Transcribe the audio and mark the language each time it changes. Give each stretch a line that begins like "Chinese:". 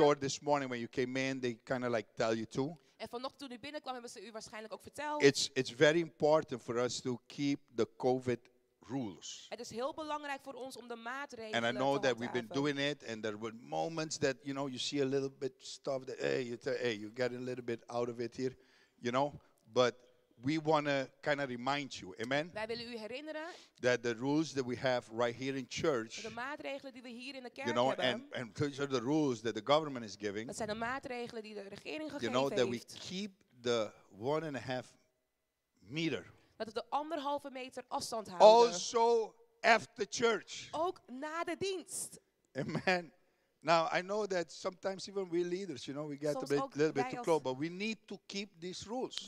English: I'm sure this morning when you came in, they kind of like tell you to.
Dutch: En vanochtend toen u binnenkwam, hebben ze u waarschijnlijk ook verteld.
English: It's very important for us to keep the COVID rules.
Dutch: Het is heel belangrijk voor ons om de maatregelen te
English: and I know that we've been doing it, and there were moments that, you know, you see a little bit stuff that, hey, you get a little bit out of it here, you know, but we want to kind of remind you, amen?
Dutch: Wij willen u herinneren
English: that the rules that we have right here in church,
Dutch: de maatregelen die we hier in de kerk
English: you know,
Dutch: hebben,
English: and those are the rules that the government is giving,
Dutch: dat zijn de maatregelen die de regering gegeven heeft,
English: you know, that
Dutch: heeft.
English: We keep the 1.5 meter.
Dutch: Dat we de 1.5 meter afstand houden.
English: Also after church.
Dutch: Ook na de dienst.
English: Amen. Now I know that sometimes even we leaders, you know, we get
Dutch: soms
English: a little bit too close, but we need to keep these rules.